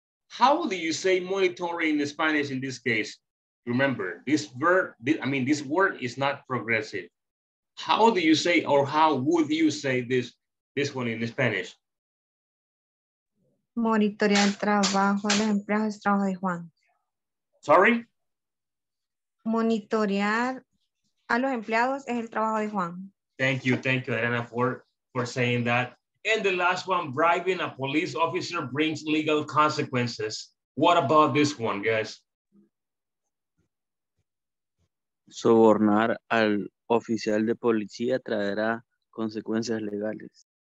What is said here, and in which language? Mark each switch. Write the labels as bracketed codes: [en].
[en] How do you say monitoring in Spanish in this case? Remember, this word is not progressive. How do you say, or how would you say this one in Spanish? [es] Monitorear el trabajo de las empresas es trabajo de Juan. [en] Sorry? [es] Monitorear a los empleados es el trabajo de Juan. [en] Thank you, Elena, for saying that. And the last one, bribing a police officer brings legal consequences. What about this one, guys? [es] Sobornar al oficial de policía traerá consecuencias legales.